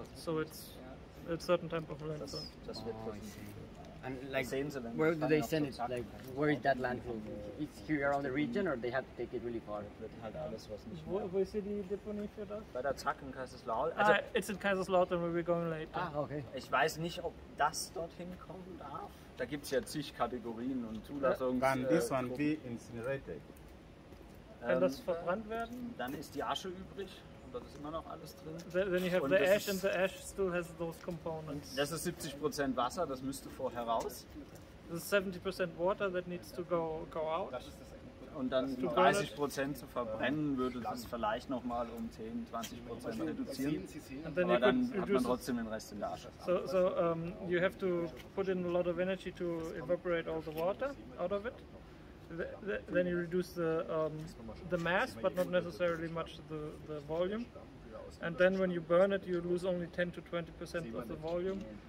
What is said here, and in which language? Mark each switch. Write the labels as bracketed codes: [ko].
[en] so it's a certain type of landfill. [de] Das wird versucht. [en] And like, where do they send it? Like, where is that landfill? It's here around the region, or they have to take it really far? [de] Wo ist die Deponie für das? Bei der Zack in Kaiserslautern. [en] Also, it's in Kaiserslautern, where we're going later. Ah, okay. [de] Ich weiß nicht, ob das dorthin kommen darf. Da gibt es ja zig Kategorien und Zulassungen. [en] Kann this one be incinerated? [de] Kann das verbrannt werden? Dann ist die Asche übrig. Das ist immer noch alles drin. [en] Then you have the ash and the ash still has those components. [de] Das ist 70% Wasser, das müsste vorher raus. [en] This is 70% water that needs to go out. [de] Und dann 30% zu verbrennen würde das vielleicht nochmal um 10-20% reduzieren. Aber dann hat man trotzdem den Rest in der Asche. [en] So you have to put in a lot of energy to evaporate all the water out of it. then you reduce the mass, but not necessarily much the volume. And then when you burn it, you lose only 10 to 20% of the volume.